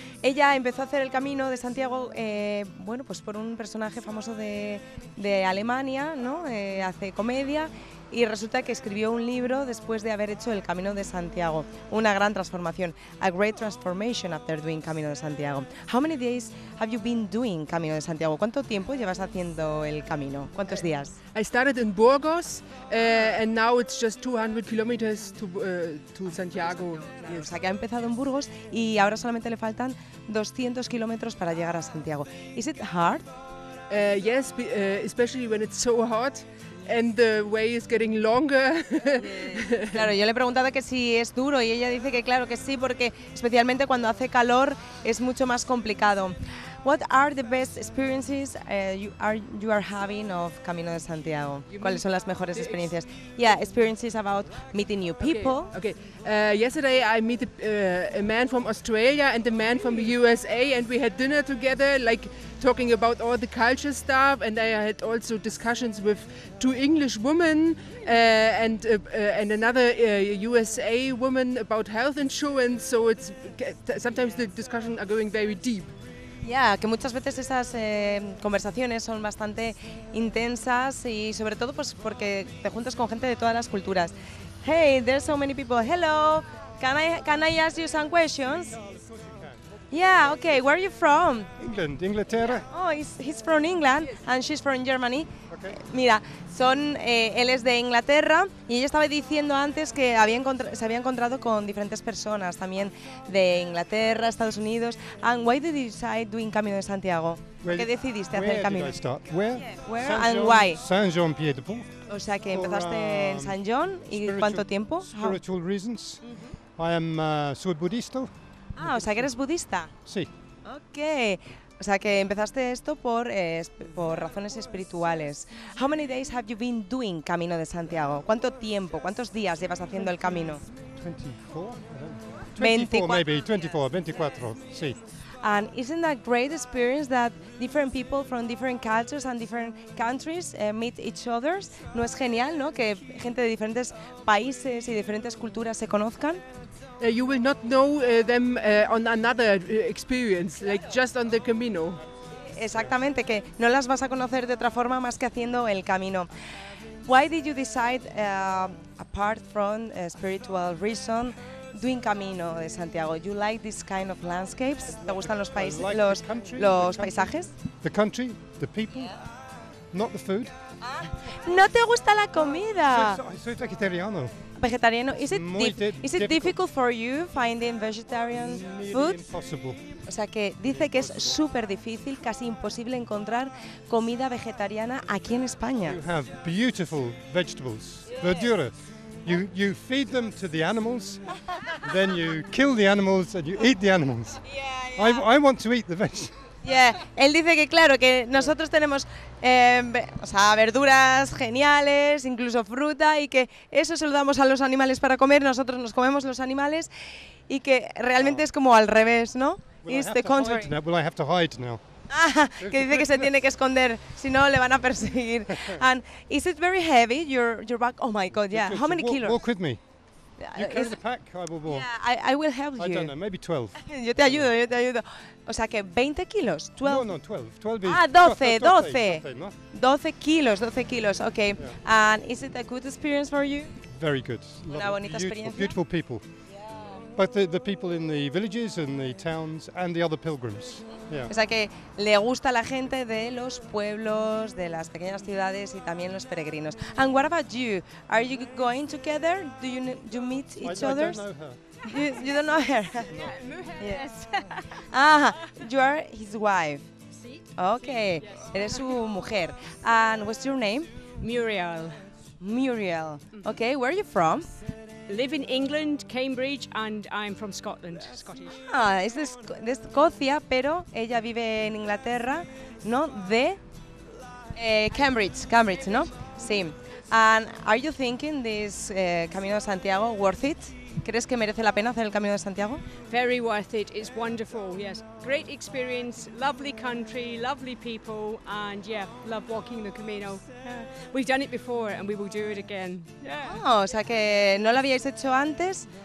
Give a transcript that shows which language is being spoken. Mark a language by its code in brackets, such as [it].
[es] Ella empezó a hacer el Camino de Santiago, por un personaje famoso de Alemania, ¿no? Hace comedia y resulta que escribió un libro después de haber hecho el Camino de Santiago. Una gran transformación. [en] A great transformation after doing Camino de Santiago. How many days have you been doing Camino de Santiago? [es] ¿Cuánto tiempo llevas haciendo el camino? ¿Cuántos días? [en] I started in Burgos and now it's just 200 kilometers to Santiago. [es] Claro, o sea que ha empezado en Burgos y ahora solamente le faltan 200 kilómetros para llegar a Santiago. [en] Is it hard? Yes, especially when it's so hot and the way is getting longer. [es] Claro, yo le he preguntado que si es duro y ella dice que claro que sí, porque especialmente cuando hace calor es mucho más complicado. [en] What are the best experiences you are having of Camino de Santiago? [es] ¿Cuáles son las mejores experiencias? [en] Yeah, experiences about meeting new people. Okay. Yesterday I met a man from Australia and a man from the USA and we had dinner together, like talking about all the culture stuff, and I had also discussions with 2 English women and another USA woman about health insurance. So it's sometimes the discussions are going very deep. [es] Ya, yeah, que muchas veces esas conversaciones son bastante intensas y sobre todo pues porque te juntas con gente de todas las culturas. [en] Hey, there's so many people. Hello. Can I ask you some questions? Yeah, okay. Where are you from? England, Inglaterra. Oh, he's from England and she's from Germany. Okay. [es] Mira, él es de Inglaterra y ella estaba diciendo antes que se había encontrado con diferentes personas también de Inglaterra, Estados Unidos. [en] And why did you decide doing Camino de Santiago? [es] ¿Por qué decidiste hacer el camino? [en] Where did I start? Where? Where and why? Saint Jean Pied de Port. [es] O sea que empezaste en Saint Jean y ¿cuánto tiempo? [en] Spiritual reasons. Mm-hmm. I am Sud Budista. [es] Ah, o sea que eres budista. Sí. [en] Okay. [es] O sea que empezaste esto por razones espirituales. [en] How many days have you been doing Camino de Santiago? [es] ¿Cuánto tiempo? ¿Cuántos días llevas haciendo el camino? 24. Sí. [en] And isn't that great experience that different people from different cultures and different countries meet each other? [es] ¿No es genial, no? Que gente de diferentes países y diferentes culturas se conozcan. [en] you will not know them on another experience, like just on the Camino. [es] Exactamente, que no las vas a conocer de otra forma más que haciendo el camino. [en] Why did you decide, apart from a spiritual reason, doing Camino de Santiago? You like this kind of landscapes? [es] ¿Te gustan los países, los paisajes? [en] The country, the people, not the food. [es] No te gusta la comida. Soy vegetariano. Vegetariano. [en] Is it difficult for you finding vegetarian food? Impossible. [es] O sea que dice que es súper difícil, casi imposible encontrar comida vegetariana aquí en España. [en] You have beautiful vegetables, verdura. You feed them to the animals, then you kill the animals and you eat the animals. Yeah. I want to eat the veg. Yeah. [es] Él dice que claro, que nosotros tenemos verduras geniales, incluso fruta, y que eso se lo damos a los animales para comer, nosotros nos comemos los animales, y que realmente es como al revés, ¿no? Que dice que se tiene que esconder, si no le van a perseguir. [en] And is it very heavy, your bag? Oh my God, yeah. How many kilos? Walk with me. You carry the pack, I will walk. Yeah, I will help you. I don't know, maybe 12. [es] Yo te ayudo, yo te ayudo. O sea que 20 kilos, 12. No, 12. Ah, 12. 12 kilos, ok. Yeah. [en] And is it a good experience for you? Very good. [es] Una bonita experiencia. [en] Beautiful people. But the people in the villages and the towns and the other pilgrims. Yeah. [es] O sea que le gusta la gente de los pueblos, de las pequeñas ciudades y también los peregrinos. [en] And what about you? Are you going together? Do you meet each other? I don't know her. You don't know her? No. Yes. Ah, you are his wife. [es] Sí. [en] Okay. Yes. [es] Eres su mujer. [en] And what's your name? Muriel. Muriel. Okay. Where are you from? Live in England, Cambridge, and I'm from Scotland, Scottish. [es] Ah, es de Escocia, pero ella vive en Inglaterra, ¿no? De Cambridge, ¿no? Sí. [en] And are you thinking this Camino de Santiago worth it? [es] ¿Crees que merece la pena hacer el Camino de Santiago? [en] Very worth it. It's wonderful. Yes. Great experience. Lovely country. Lovely people. And yeah, love walking the Camino. Yeah. We've done it before, and we will do it again. Yeah. [es] Oh, o sea que no lo habíais hecho antes.